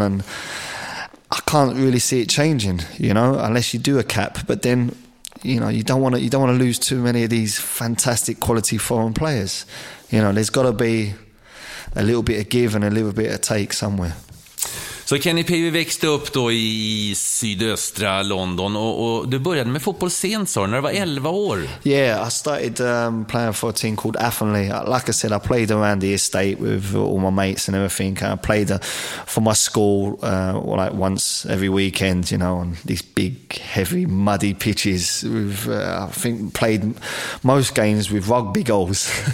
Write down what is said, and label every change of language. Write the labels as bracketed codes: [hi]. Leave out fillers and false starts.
[en] And I can't really see it changing, you know, unless you do a cap. But then, you know, you don't want to lose too many of these fantastic quality foreign players. You know, there's got to be a little bit of give and a little bit of take somewhere. [sv] Så Kenny Pivi växte upp då i sydöstra London, och du började med fotboll sent, så när du var 11 år. [en] Yeah, I started playing for a team called Athenley. Like I said, I played around the estate with all my mates and everything. I played for my school like once every weekend, you know, on these big, heavy, muddy pitches. I think played most games with rugby goals.